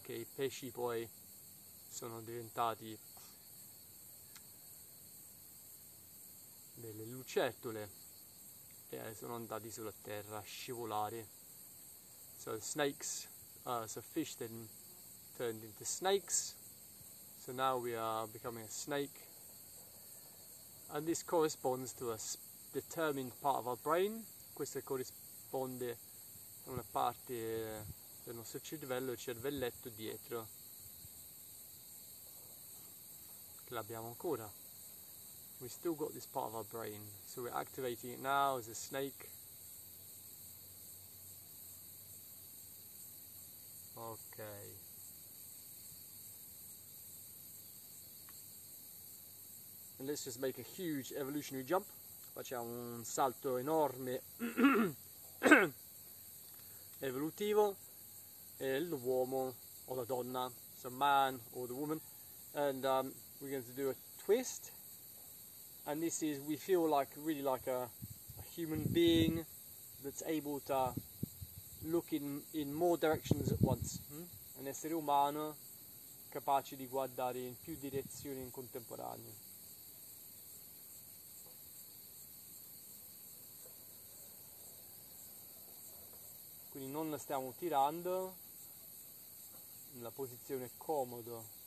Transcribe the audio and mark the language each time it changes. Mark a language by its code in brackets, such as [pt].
[it] Che i pesci poi sono diventati delle lucertole e sono andati sulla terra a scivolare. [en] So snakes, so fish then turned into snakes. So now we are becoming a snake. And this corresponds to a determined part of our brain. [it] Questo corrisponde a una parte del nostro cervello, il cervelletto dietro, che l'abbiamo ancora. [en] We still got this part of our brain, so we're activating it now as a snake. Ok. And let's just make a huge evolutionary jump. [it] Facciamo un salto enorme evolutivo e l'uomo o la donna [en] So man or the woman, and we're going to do a twist. And this is, we feel like really like a human being that's able to look in more directions at once. [it] Un essere umano capace di guardare in più direzioni in contemporanea. Quindi non la stiamo tirando, la posizione è comoda.